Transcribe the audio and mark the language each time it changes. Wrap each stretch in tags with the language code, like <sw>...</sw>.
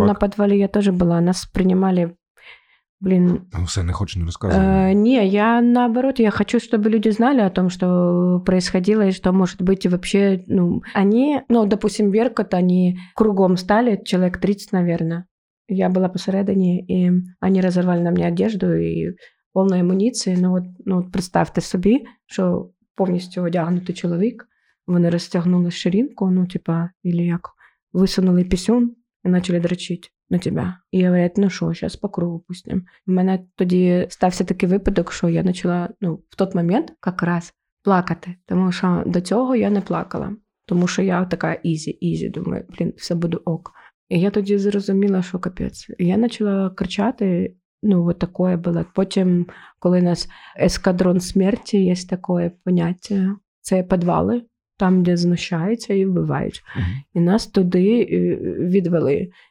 <uk>Ну, на підвалі я теж була. Нас приймали Блін. Все, не хочу не розказувати. Ні, я наоборот, я хочу, щоб люди знали</uk> <ru>о том,</ru> <uk>що</uk> <ru>происходило,</ru> <uk>і що може бути вообще, ну, вони, ну, допустим, веркот, вони кругом стали, чоловік 30, наверное.</uk> <ru>Я была посередине, и они разорвали на мне одежду и полную амуницию. Ну вот, ну вот представьте себе, что полностью одягнутый человек, они расстегнули ширинку, ну типа, или как, высунули писюн и начали дрочить на тебя. И говорят, ну что, сейчас по кругу пустим. У меня тогда</ru> <uk>стався</uk> <ru>такой</ru> <uk>випадок,</uk> <ru>что я начала, ну, в тот момент как раз плакать, потому что до этого я не плакала, потому что я такая изи, думаю, блин,</ru> <uk>все буде ок. І я тоді зрозуміла, що капець. Я почала кричати, ну, от таке було. Потім, коли у нас ескадрон смерті, є таке поняття, це підвали, там, де знущаються і вбивають. Mm-hmm. І нас туди відвели.</uk>